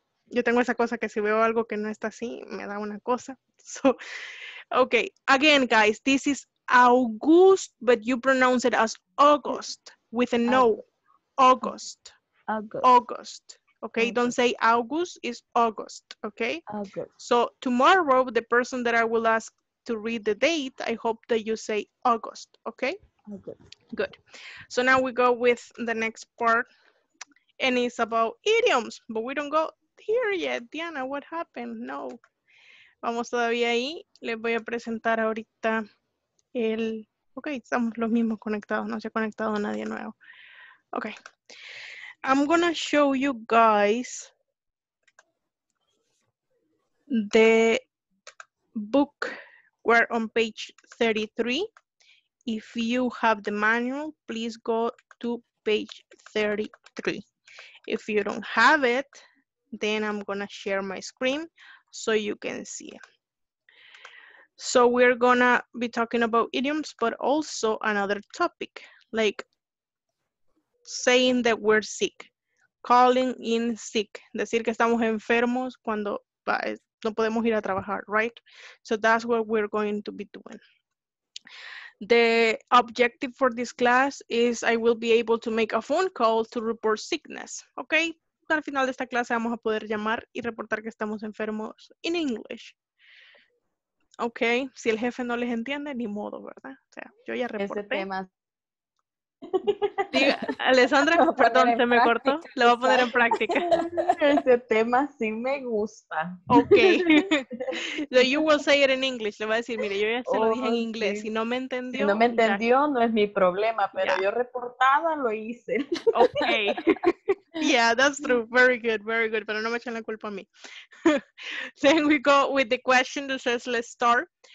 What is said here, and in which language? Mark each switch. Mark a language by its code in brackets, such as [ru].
[es] Yo tengo esa cosa que si veo algo que no está así, me da una cosa. [en] So, okay. Again, guys, this is August, but you pronounce it as August with a no. August. August. Okay, August. Don't say August, it's August, okay? August. So tomorrow, the person that I will ask to read the date, I hope that you say August, okay? August. Good. So now we go with the next part, and it's about idioms, but we don't go here yet. [es] Diana, [en] what happened? [es] No. Vamos todavía ahí. Les voy a presentar ahorita el... Okay, estamos los mismos conectados. No se ha conectado nadie nuevo. [en] Okay. I'm going to show you guys the book where on page 33. If you have the manual, please go to page 33. If you don't have it, then I'm going to share my screen so you can see it. So we're going to be talking about idioms, but also another topic, like saying that we're sick, calling in sick, [es] decir que estamos enfermos cuando no podemos ir a trabajar, [en] right? So that's what we're going to be doing. The objective for this class is I will be able to make a phone call to report sickness, okay? [es] Al final de esta clase vamos a poder llamar y reportar que estamos enfermos [en] in English. [es] Okay, si el jefe no les entiende, ni modo, ¿verdad? O sea, yo ya reporté. Este tema. Sí, Alessandra, perdón, se me cortó. Lo voy a poner en práctica. Este tema sí me gusta. [en] Ok. So you will say it in English. [es] Le voy a decir, mire, yo ya se lo dije en inglés. Si no me entendió. Si no me entendió, ya. No es mi problema, pero yo reportada lo hice. [en] Ok. Yeah, that's true. Very good, very good. [es] Pero no me echan la culpa a mí. [en] Then we go with the question that says, let's start.